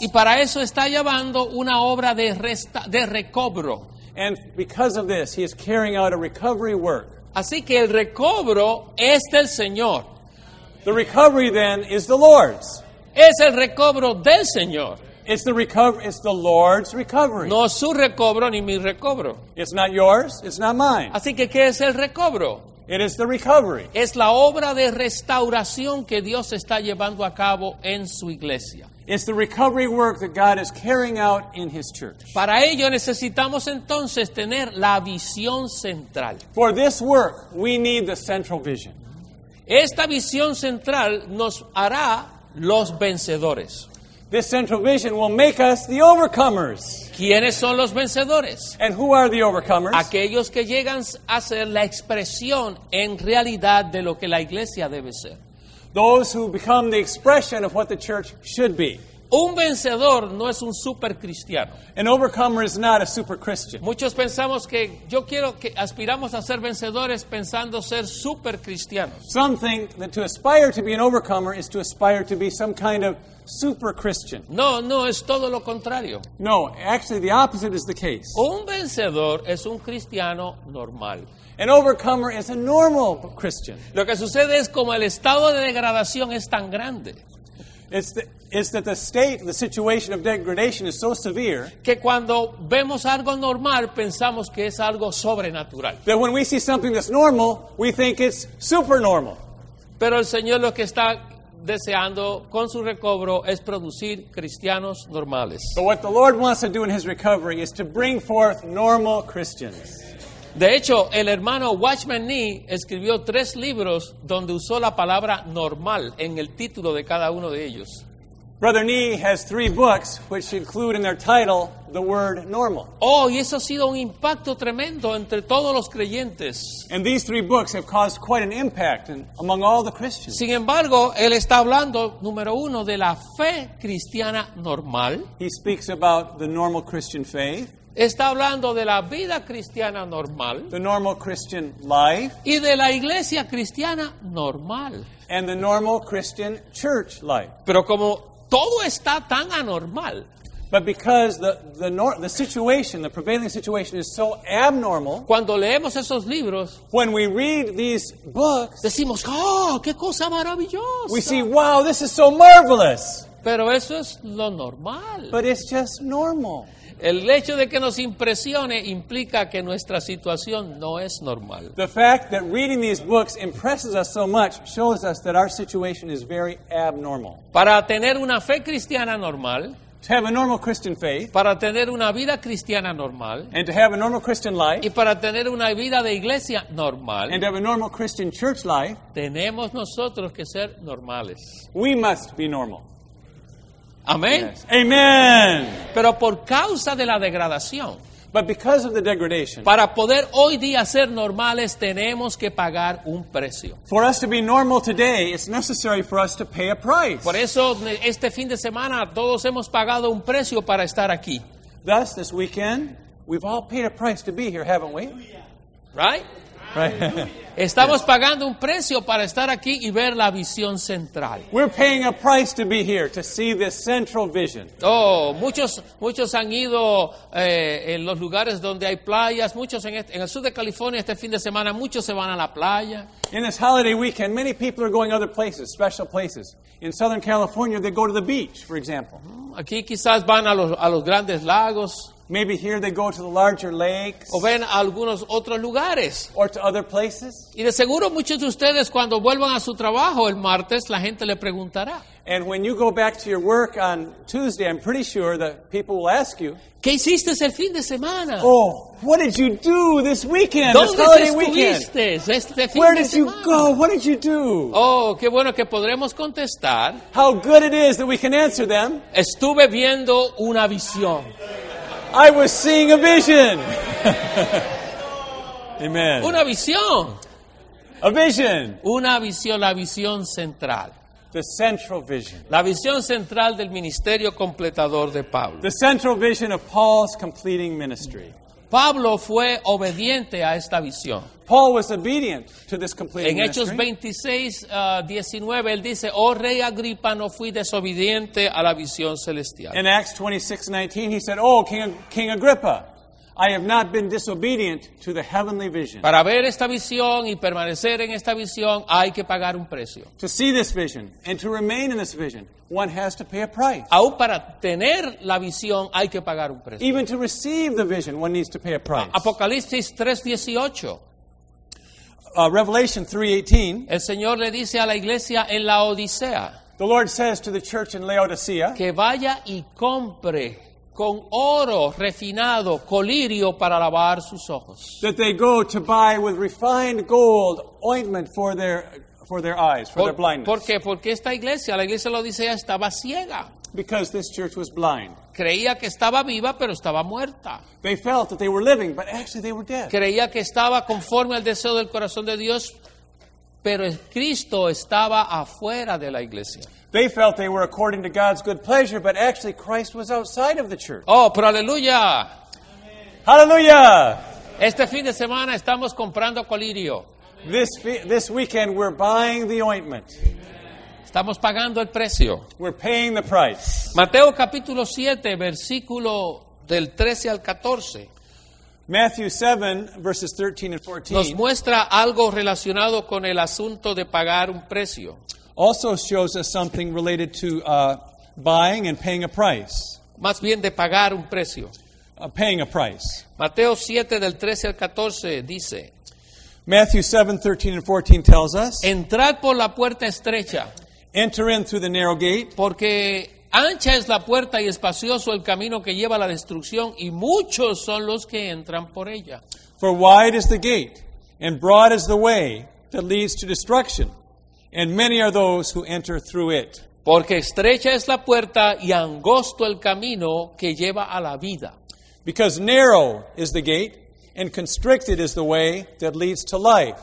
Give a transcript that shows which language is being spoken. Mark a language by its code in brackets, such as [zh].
[es] Y para eso está llevando una obra de recobro. [en] And because of this, he is carrying out a recovery work. [es] Así que el recobro es del Señor. [en] The recovery then is the Lord's. [es] Es el recobro del Señor. [en] It's the Lord's recovery. [es] No su recobro ni mi recobro. [en] It's not yours, it's not mine. [es] Así que ¿qué es el recobro? [en] It is the recovery. [es] Es la obra de restauración que Dios está llevando a cabo en su iglesia. [en] It's the recovery work that God is carrying out in his church. [es] Para ello necesitamos entonces tener la visión central. [en] For this work, we need the central vision. [es] Esta visión central nos hará los vencedores. [en] This central vision will make us the overcomers. [es] ¿Quiénes son los vencedores? [en] And who are the overcomers? [es] Aquellos que llegan a ser la expresión en realidad de lo que la iglesia debe ser. [en] Those who become the expression of what the church should be. [es] Un vencedor no es un super cristiano. [en] An overcomer is not a super Christian. [es] Muchos pensamos que yo quiero que aspiramos a ser vencedores pensando ser super cristianos. [en] Some think that to aspire to be an overcomer is to aspire to be some kind of super Christian. [es] No, es todo lo contrario. [en] No, actually the opposite is the case. [es] Un vencedor es un cristiano normal. [en] An overcomer is a normal Christian. [es] Lo que sucede es como el estado de degradación es tan grande. [en] It's that the state, the situation of degradation is so severe [es] que cuando vemos algo normal pensamos que es algo sobrenatural. [en] That when we see something that's normal, we think it's super normal. [es] Pero el Señor lo que está deseando con su recobro es producir cristianos normales. [en] But what the Lord wants to do in his recovery is to bring forth normal Christians. [es] De hecho, el hermano Watchman Nee escribió 3 libros donde usó la palabra normal en el título de cada uno de ellos. [en] Brother Nee has three books, which include in their title the word normal. [es] Oh, y eso ha sido un impacto tremendo entre todos los creyentes. [en] And these three books have caused quite an impact among all the Christians. [es] Sin embargo, él está hablando, número uno, de la fe cristiana normal. [en] He speaks about the normal Christian faith. [es] Está hablando de la vida cristiana normal. [en] The normal Christian life. [es] Y de la iglesia cristiana normal. [en] And the normal Christian church life. [es] Pero como todo está tan anormal. [en] But because the prevailing situation is so abnormal. [es] Cuando leemos esos libros, [en] when we read these books, [es] decimos, oh, qué cosa maravillosa. [en] We see, wow, this is so marvelous. [es] Pero eso es lo normal. [en] But it's just normal. [es] El hecho de que nos impresione implica que nuestra situación no es normal. [en] The fact that reading these books impresses us so much shows us that our situation is very abnormal. [es] Para tener una fe cristiana normal, [en] to have a normal Christian faith, [es] para tener una vida cristiana normal, [en] and to have a normal Christian life, [es] y para tener una vida de iglesia normal, [en] and to have a normal Christian church life, [es] tenemos nosotros que ser normales. [en] We must be normal. [es] Amén. [en] Yes. Amen. [es] Pero por causa de la degradación. [en] But because of the degradation. [es] Para poder hoy día ser normales tenemos que pagar un precio. [en] For us to be normal today, it's necessary for us to pay a price. [es] Por eso este fin de semana todos hemos pagado un precio para estar aquí. [en] Thus, this weekend, we've all paid a price to be here, haven't we? Right? Right. [es] Estamos pagando un precio para estar aquí y ver la visión central. [en] We're paying a price to be here to see this central vision. [es] Oh, muchos han ido en los lugares donde hay playas. Muchos en el sur de California este fin de semana muchos se van a la playa. [en] In this holiday weekend, many people are going other places, special places. In Southern California, they go to the beach, for example. [es] Aquí quizás van a los grandes lagos. [en] Maybe here they go to the larger lakes. [es] O ven a algunos otros lugares. [en] Or to other places. [es] Y de seguro muchos de ustedes cuando vuelvan a su trabajo el martes, la gente le preguntará. [en] And when you go back to your work on Tuesday, I'm pretty sure that people will ask you. [es] ¿Qué hiciste el fin de semana? [en] Oh, what did you do this weekend? [es] ¿Dónde [en] this holiday [es] estuviste [en] weekend? [es] Este fin [en] Where [es] de [en] did [es] semana? [en] You go? What did you do? [es] Oh, qué bueno que podremos contestar. [en] How good it is that we can answer them. [es] Estuve viendo una visión. [en] I was seeing a vision. Amen. [es] Una visión. [en] A vision. [es] Una visión, la visión central. [en] The central vision. [es] La visión central del ministerio completador de Pablo. [en] The central vision of Paul's completing ministry. [es] Pablo fue obediente a esta visión. [en] Paul was obedient to this completing ministry. [es] En Hechos 26, 19, él dice, oh rey Agripa, no fui desobediente a la visión celestial. [en] In Acts 26, 19, he said, oh, King Agrippa, I have not been disobedient to the heavenly vision. [es] Para ver esta visión y permanecer en esta visión, hay que pagar un precio. [en] To see this vision and to remain in this vision, one has to pay a price. [es] Aún para tener la visión, hay que pagar un precio. [en] Even to receive the vision, one needs to pay a price. [es] Apocalipsis 3, 18. [en] Revelation 3:18. [es] El Señor le dice a la iglesia en la Odisea. [en] The Lord says to the church in Laodicea. [es] Que vaya y compre con oro refinado colirio para lavar sus ojos. [en] That they go to buy with refined gold ointment for their eyes, for their blindness. [es] ¿Por qué? Porque esta iglesia, la iglesia de la Odisea, estaba ciega. [en] Because this church was blind. [es] Creía que estaba viva, pero estaba muerta. [en] They felt that they were living, but actually they were dead. [es] Creía que estaba conforme al deseo del corazón de Dios, pero Cristo estaba afuera de la iglesia. [en] They felt they were according to God's good pleasure, but actually Christ was outside of the church. [es] Oh, pero aleluya. Aleluya. Este fin de semana estamos comprando colirio. [en] This weekend we're buying the ointment. [es] Estamos pagando el precio. [en] We're paying the price. [es] Mateo capítulo 7, versículo del 13 al 14. [en] Matthew 7, verses 13 and 14. [es] Nos muestra algo relacionado con el asunto de pagar un precio. [en] Also shows us something related to buying and paying a price. [es] Más bien de pagar un precio. [en] Paying a price. [es] Mateo 7, del 13 al 14, dice. [en] Matthew 7, 13 and 14 tells us. [es] Entrad por la puerta estrecha. [en] Enter in through the narrow gate. [es] Porque ancha es la puerta y espacioso el camino que lleva a la destrucción y muchos son los que entran por ella. [en] For wide is the gate and broad is the way that leads to destruction and many are those who enter through it. [es] Porque estrecha es la puerta y angosto el camino que lleva a la vida. [en] Because narrow is the gate and constricted is the way that leads to life.